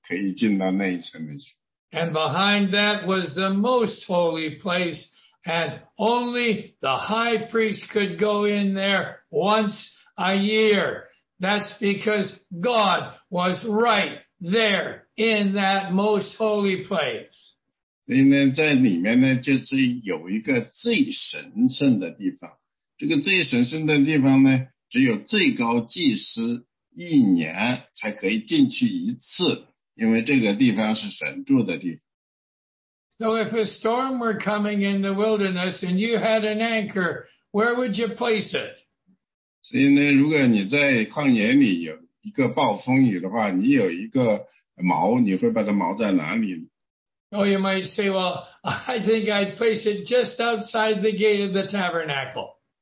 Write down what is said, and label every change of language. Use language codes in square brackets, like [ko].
[zh] 所以呢，在那个里面呢，还有一层，那一层里面呢，只有祭司可以进到那一层里去。 [en] And behind that was the most holy place, and only the high priest could go in there once a year. That's because God was right there in that most holy place. [zh] 所以呢，在里面呢，就是有一个最神圣的地方。这个最神圣的地方呢，只有最高祭司一年才可以进去一次，因为这个地方是神住的地方。 [en] So if a storm were coming in the wilderness and you had an anchor, where would you place it? [zh] 所以呢，如果你在旷野里有一个暴风雨的话，你有一个锚，你会把它锚在哪里呢？ [en] Oh, you might say, well, I think I'd place it just outside the gate of the tabernacle.